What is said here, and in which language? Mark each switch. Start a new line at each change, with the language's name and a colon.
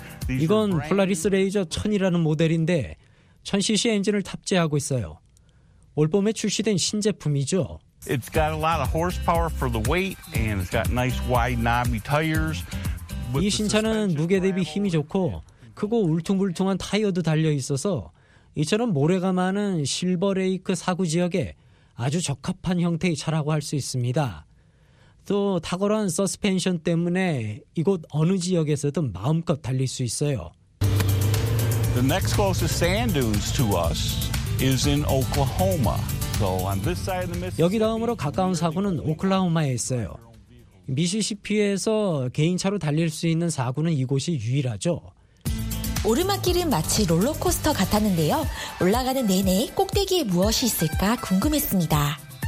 Korean: 이건 폴라리스 레이저 1000이라는 모델인데 1000cc 엔진을 탑재하고 있어요. 올 봄에 출시된 신제품이죠.
English: It's got a lot of horsepower for the weight and it's got nice wide knobby tires.
Korean: 이 신차는 무게 대비 힘이 좋고 크고 울퉁불퉁한 타이어도 달려 있어서 이처럼 모래가 많은 실버레이크 사구 지역에 아주 적합한 형태의 차라고 할 수 있습니다. 또 탁월한 서스펜션 때문에 이곳 어느 지역에서든 마음껏 달릴 수 있어요.
English: The next closest sand dunes to us is in Oklahoma. So on this side of the Mississippi.
Korean: 여기 다음으로 가까운 사구는 오클라호마에 있어요. 미시시피에서 개인차로 달릴 수 있는 사구는 이곳이 유일하죠. 오르막길은 마치 롤러코스터 같았는데요. 올라가는 내내 꼭대기에 무엇이 있을까 궁금했습니다.